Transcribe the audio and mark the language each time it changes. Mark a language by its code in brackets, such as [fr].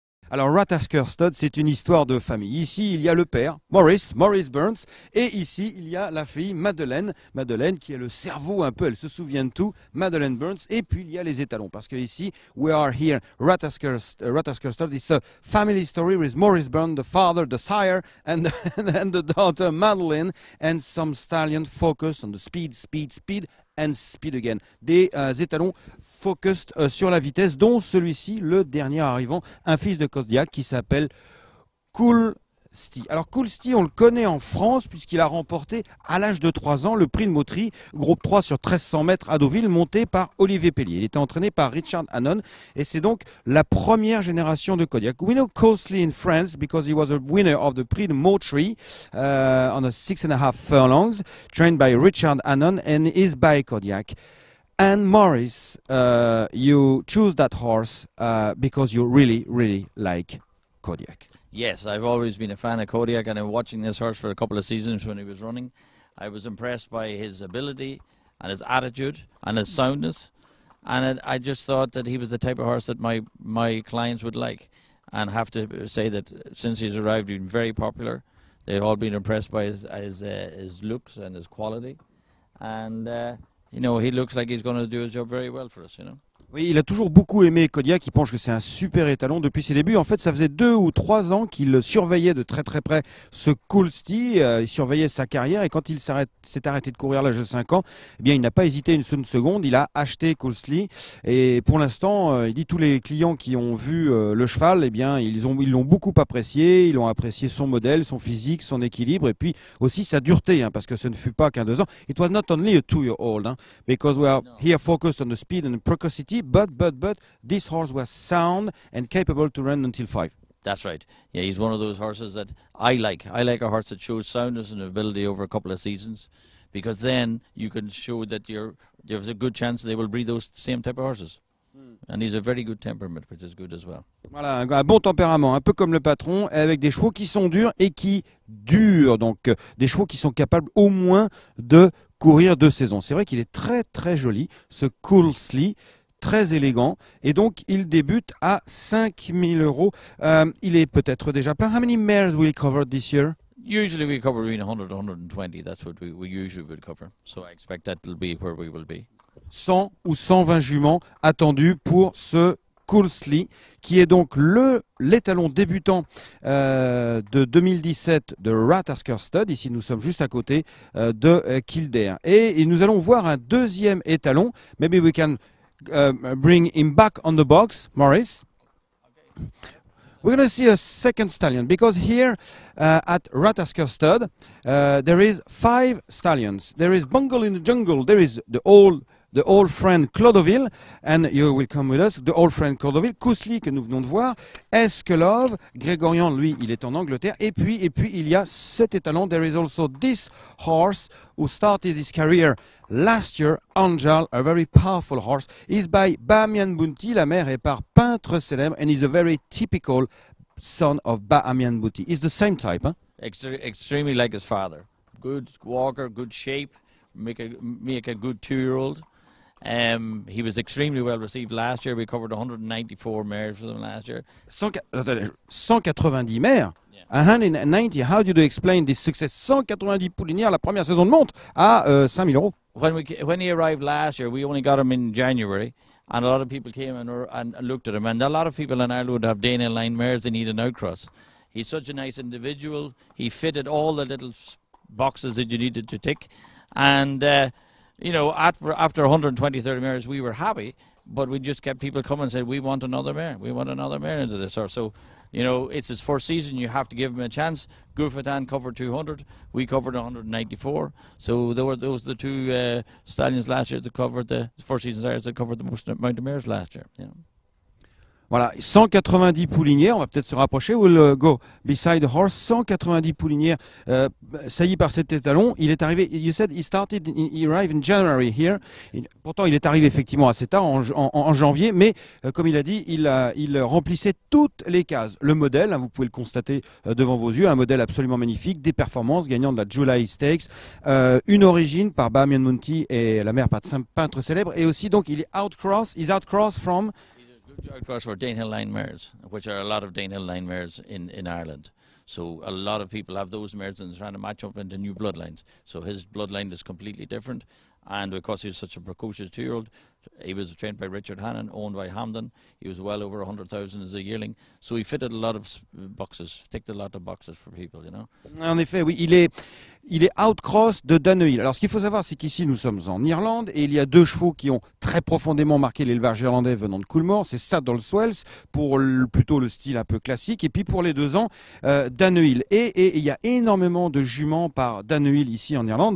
[fr] Alors, Ratasker Stud, c'est une histoire de famille. Ici, il y a le père, Maurice Burns, et ici, il y a la fille, Madeleine. Madeleine, qui est le cerveau un peu, elle se souvient de tout, Madeleine Burns. Et puis, il y a les étalons, parce que ici, [en] we are here, Ratasker Stud, it's a family story with Maurice Burns, the father, the sire, and the daughter, Madeleine, and some stallion focus on the speed, and speed again. [fr] Des étalons focused sur la vitesse, dont celui-ci, le dernier arrivant, un fils de Kozdiak qui s'appelle Coolsty. Alors Coolsty, on le connaît en France puisqu'il a remporté à l'âge de 3 ans le prix de moterie groupe 3 sur 1300 mètres à Deauville, monté par Olivier Pellier. Il était entraîné par Richard Hannon et c'est donc la première génération de Kozdiak. [en] We know Coolsty in France because he was a winner of the prix de moterie on a 6.5 furlongs, trained by Richard Hannon and is by Kozdiak. And Maurice, you choose that horse because you really, really like Kodiak. Yes, I've always been a fan of Kodiak, and I've been watching this horse for a couple of seasons when he was running. I was impressed by his ability and his attitude and his soundness. And I just thought that he was the type of horse that my clients would like. And have to say that since he's arrived, he's been very popular. They've all been impressed by his looks and his quality. And you know, he looks like he's going to do his job very well for us, you know. [fr] Oui, il a toujours beaucoup aimé Kodiak, il pense que c'est un super étalon depuis ses débuts. En fait, ça faisait 2 ou 3 ans qu'il surveillait de très très près ce Coolsty, il surveillait sa carrière et quand il s'est arrêté de courir à l'âge de 5 ans, eh bien, il n'a pas hésité une seconde, il a acheté Coolsty et pour l'instant, il dit tous les clients qui ont vu le cheval, eh bien, ils l'ont beaucoup apprécié, ils ont apprécié son modèle, son physique, son équilibre et puis aussi sa dureté, hein, parce que ce ne fut pas qu'un 2 ans. [en] It was not only a 2-year-old, hein, because we are here focused on the speed and the precocity. But this horse was sound and capable to run until 5. That's right. Yeah, he's one of those horses that I like. I like a horse that shows soundness and ability over a couple of seasons, because then you can show that there's a good chance they will breed those same type of horses. And he's a very good temperament, which is good as well. [fr] Voilà, un bon tempérament, un peu comme le patron, avec des chevaux qui sont durs et qui durent. Donc, des chevaux qui sont capables au moins de courir 2 saisons. C'est vrai qu'il est très très joli, ce Coolsty. Très élégant et donc il débute à 5 000 euros. Il est peut-être déjà plein. [en] How many mares will cover this year? Usually we cover between 100 and 120. That's what we usually will cover. So I expect that will be where we will be. [fr] 100 ou 120 juments attendus pour ce Coolsty qui est donc l'étalon débutant de 2017 de Ratasker Stud. Ici nous sommes juste à côté de Kildare et nous allons voir un deuxième étalon. [en] Maybe we can bring him back on the box, Maurice. Okay. We're going to see a second stallion because here at Ratasker Stud there is 5 stallions. There is Bungle in the Jungle, there is the old friend Clodoville, and you will come with us, the old friend Clodoville, [fr] Coolsty que nous venons de voir, Esquelove, Grégorian, lui, il est en Angleterre, et puis il y a cet étalon, [en] there is also this horse who started his career last year, Angel, a very powerful horse, is by Bahamian Bounty, [fr] la mère est par peintre célèbre, [en] and is a very typical son of Bahamian Bounty, is the same type, hein? Extremely like his father, good walker, good shape, make a good 2-year-old. He was extremely well received last year. We covered 194 mares for them last year. 190 mares? Yeah. 190, how do you explain this success? [fr] 190 poulinières, la première saison de monte, à 5 000 euros. [en] When he arrived last year, we only got him in January, and a lot of people came and looked at him. And a lot of people in Ireland have Dana line mares, they need an outcross. He's such a nice individual. He fitted all the little boxes that you needed to tick. And, you know, after 120, 30 mares, we were happy, but we just kept people coming and said, we want another mare, we want another mare into this horse. So, you know, it's his first season, you have to give him a chance. Gouffetan covered 200, we covered 194. So those were the two stallions last year that covered the first season stallions that covered the most amount of mares last year. You know? [fr] Voilà, 190 poulinières, on va peut-être se rapprocher, [en] we'll go beside the horse, [fr] 190 poulinières saillies par cet étalon, il est arrivé, [en] you said he started, he arrived in January here, [fr] pourtant il est arrivé effectivement assez tard, en janvier, mais comme il a dit, il remplissait toutes les cases, le modèle, hein, vous pouvez le constater devant vos yeux, un modèle absolument magnifique, des performances, gagnant de la July Stakes, une origine par Bahamian Mounty et la mère par de Saint-Peintre célèbre, et aussi donc il est outcross from... [en] across for Danehill Lionmares, which are a lot of Danehill Lionmares in Ireland. So a lot of people have those mares and trying to match up into new bloodlines. So his bloodline is completely different. And because he was such a precocious two-year-old, he was trained by Richard Hannon, owned by Hamden. He was well over 100,000 as a yearling. So he fitted a lot of boxes, ticked a lot of boxes for people, you know. [fr] En effet, oui, il est outcross de Danehill. Alors ce qu'il faut savoir, c'est qu'ici nous sommes en Irlande et il y a deux chevaux qui ont très profondément marqué l'élevage irlandais venant de Coolmore. C'est Saddle Swells, pour plutôt le style un peu classique. Et puis pour les deux ans, Danehill. Et il y a énormément de juments par Danehill ici en Irlande.